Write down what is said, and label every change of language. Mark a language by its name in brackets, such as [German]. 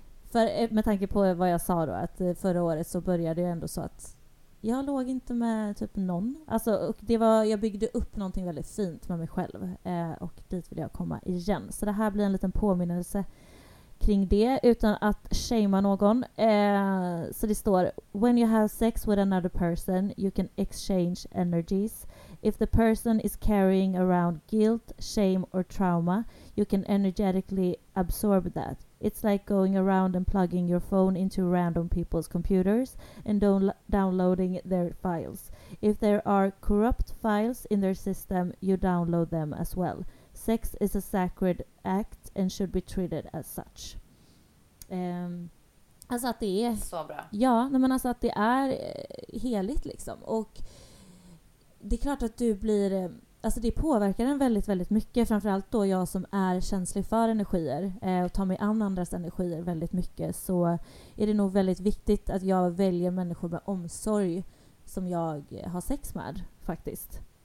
[Swedish] För med tanke på vad jag sa då, att förra året så började jag ändå så att jag låg inte med typ någon. Alltså, och det var, jag byggde upp någonting väldigt fint med mig själv. Och dit vill jag komma igen. Så det här blir en liten påminnelse kring det, utan att shama någon. Så det står: [English] when you have sex with another person, you can exchange energies. If the person is carrying around guilt, shame or trauma, you can energetically absorb that. It's like going around and plugging your phone into random people's computers and downloading their files. If there are corrupt files in their system, you download them as well. Sex is a sacred act and should be treated as such. [Swedish] Alltså att det är så bra. Ja, men alltså att det är heligt liksom. Och det är klart att du blir, alltså det påverkar en väldigt, väldigt mycket. Framförallt då jag som är känslig för energier och tar mig an andras energier väldigt mycket, så är det nog väldigt viktigt att jag väljer människor med omsorg som jag har sex med, faktiskt.